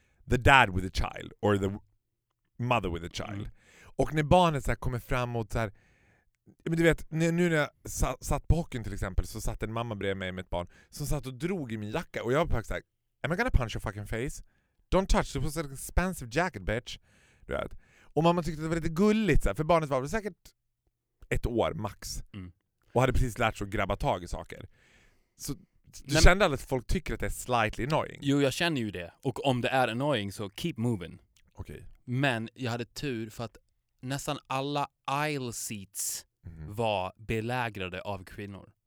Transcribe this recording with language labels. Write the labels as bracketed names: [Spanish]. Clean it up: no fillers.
[English] The dad with a child or the mother with a child. Mm. [Swedish] Och när barnet så här kommer fram och så här, men du vet, nu när jag satt på hockeyn till exempel så satt en mamma bredvid mig med ett barn som satt och drog i min jacka och jag var faktiskt så här, [English] am I gonna punch your fucking face? Don't touch, it was an expensive jacket, bitch. [Swedish] Du vet. Och mamma tyckte att det var lite gulligt så här, för barnet var säkert 1 år max. Mm. Och hade precis lärt sig att grabba tag i saker. Så du kände att folk tycker att det är [English] slightly annoying? [Swedish] Jo, jag känner ju det. Och om det är annoying så [English] keep moving. Okay. [Swedish] Men jag hade tur för att nästan alla [English] aisle seats [Swedish] var belägrade av kvinnor.